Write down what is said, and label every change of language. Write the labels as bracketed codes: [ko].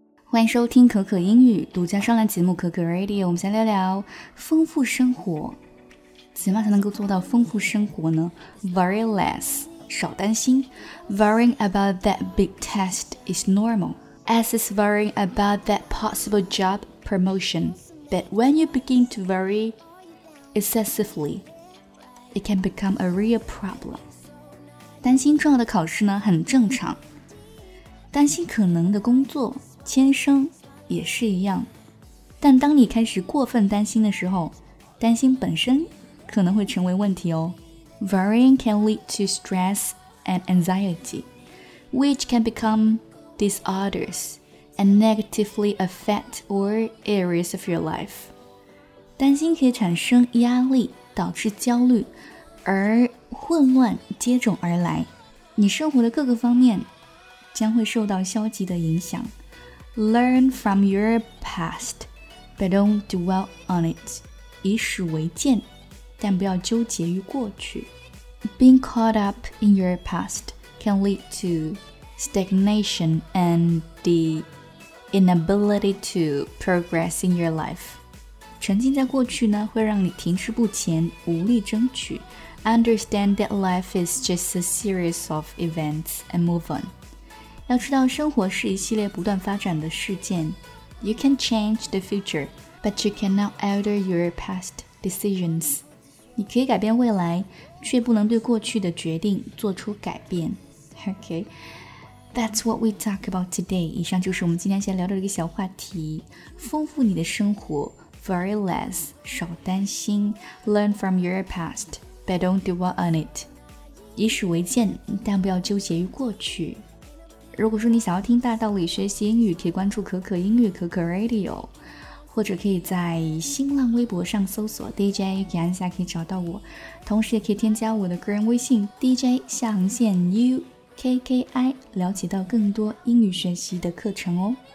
[zh] 欢迎收听可可英语独家商量节目可可 Radio， 我们先聊聊丰富生活，怎么才能够做到丰富生活呢？ [en] Worry less， [zh] 少担心。 [en] Worrying about that big test is normal, as is worrying about that possible job promotion. But when you begin to worry excessively, it can become a real problem. [zh] 担心重要的考试呢，很正常。担心可能的工作签生也是一样，但当你开始过分担心的时候，担心本身可能会成为问题哦。 [en] Worrying can lead to stress and anxiety, which can become disorders and negatively affect all areas of your life. [zh] 担心可以产生压力，导致焦虑，而混乱接踵而来，你生活的各个方面将会受到消极的影响。 [en] Learn from your past, but don't dwell on it. [zh] 以史为鉴，但不要纠结于过去。 [en] Being caught up in your past can lead to stagnation and the inability to progress in your life. [zh] 沉浸在过去呢，会让你停滞不前，无力争取。 [en] Understand that life is just a series of events and move on. [zh] 要知道生活是一系列不断发展的事件。 [en] You can change the future, but you cannot alter your past decisions. [zh] 你可以改变未来，却不能对过去的决定做出改变。 [en] Okay, that's what we talk about today. [zh] 以上就是我们今天先聊的一个小话题。丰富你的生活 , [en] worry less, [zh] 少担心。 [en] Learn from your past, but don't dwell on it. [zh] 以史为鉴，但不要纠结于过去。如果说你想要听大道理学习英语，可以关注可可英语可可 Radio， 或者可以在新浪微博上搜索 DJ 可安夏，可以找到我，同时也可以添加我的个人微信 DJ 下横线 UKKI， 了解到更多英语学习的课程哦。